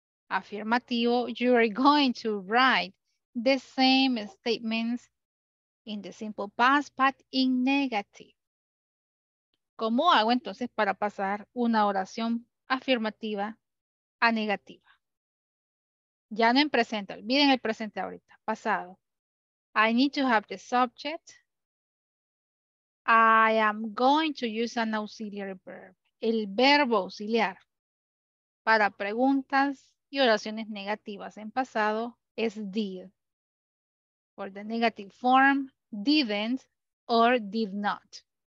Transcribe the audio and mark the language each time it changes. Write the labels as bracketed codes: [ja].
[en] Afirmativo, you are going to write the same statements in the simple past, but in negative. [es] ¿Cómo hago entonces para pasar una oración afirmativa a negativa? Ya no en presente, olviden el presente ahorita, pasado. [en] I need to have the subject. I am going to use an auxiliary verb, [es] el verbo auxiliar. Para preguntas y oraciones negativas en pasado es did. [en] For the negative form, didn't or did not.